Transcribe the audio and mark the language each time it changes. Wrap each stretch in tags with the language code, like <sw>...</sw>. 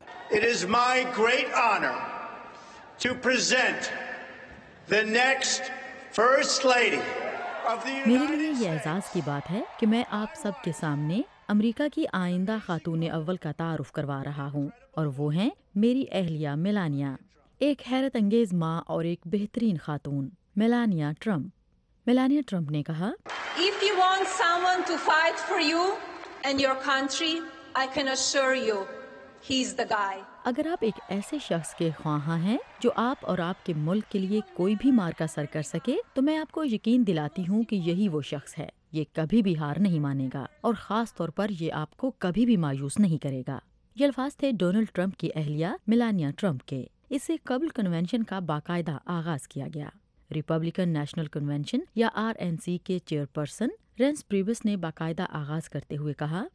<en>It is my great honor to present the next First Lady of the United States.</en> <ur>میرے لیے یہ اعزاز کی بات ہے کہ میں آپ سب کے سامنے امریکہ کی آئندہ خاتون اول کا تعارف کروا رہا ہوں، اور وہ ہیں میری اہلیہ میلانیا، ایک حیرت انگیز ماں اور ایک بہترین خاتون، میلانیا ٹرمپ۔ میلانیا ٹرمپ نے کہا،</ur> <en>If you want someone to fight for you and your country, I can assure you, he's the guy.</en> <ur>اگر آپ ایک ایسے شخص کے خواہاں ہیں جو آپ اور آپ کے ملک کے لیے کوئی بھی مارکہ سر کر سکے، تو میں آپ کو یقین دلاتی ہوں کہ یہی وہ شخص ہے، یہ کبھی بھی ہار نہیں مانے گا، اور خاص طور پر یہ آپ کو کبھی بھی مایوس نہیں کرے گا۔ یہ الفاظ تھے ڈونلڈ ٹرمپ کی اہلیہ میلانیا ٹرمپ کے، اس سے قبل کنونشن کا باقاعدہ آغاز کیا گیا۔ ریپبلکن نیشنل کنونشن یا آر این سی کے چیئر پرسن رینس پریبس نے باقاعدہ آغاز کرتے ہوئے کہا،</ur>